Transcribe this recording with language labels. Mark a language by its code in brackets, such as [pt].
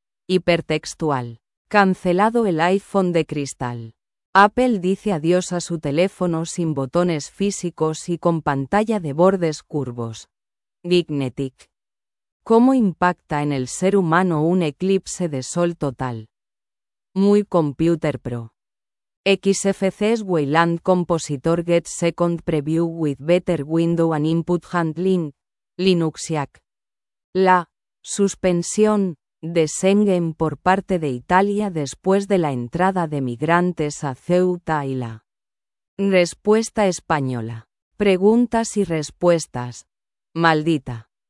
[es] Hipertextual. Cancelado el iPhone de cristal. Apple dice adiós a su teléfono sin botones físicos y con pantalla de bordes curvos. Dignetic. ¿Cómo impacta en el ser humano un eclipse de sol total? Muy computer pro. [en] XFCE's Wayland Compositor gets second preview with better window and input handling. Linuxiac. [es] La suspensión de Schengen por parte de Italia después de la entrada de migrantes a Ceuta y la respuesta española. Preguntas y respuestas. Maldita.